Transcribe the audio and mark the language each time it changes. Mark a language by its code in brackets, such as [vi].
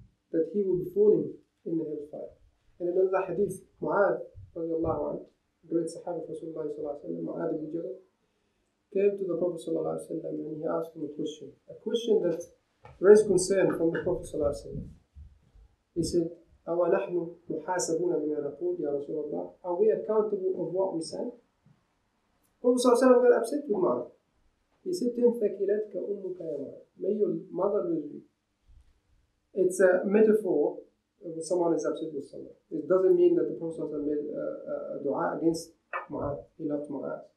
[en] That he would be falling in the hellfire. And in another hadith, Mu'adh radiallahu anhu, great Sahaba of Rasulullah sallallahu alayhi wa sallam, Mu'adh ibn Jabal, came to the Prophet sallallahu alayhi wa sallam and he asked him a question. A question that raised concern from the Prophet sallallahu alayhi wa sallam. He said, [ar] أَوَا نَحْنُ مُحَاسَبُونَ بِمَا نَقُولِ يَا رَسُولَ اللَّهِ. [en] Are we accountable of what we say? Prophet صلى الله عليه وسلم got upset with Ma'ad. He said to him, [ar] فَكِلَتْكَ أُمُّكَ يَا مَعَدْ. [en] May your mother lose you. It's a metaphor of someone is upset with someone. It doesn't mean that the Prophet صلى الله عليه وسلم made a dua against Ma'ad. He loved Ma'ad.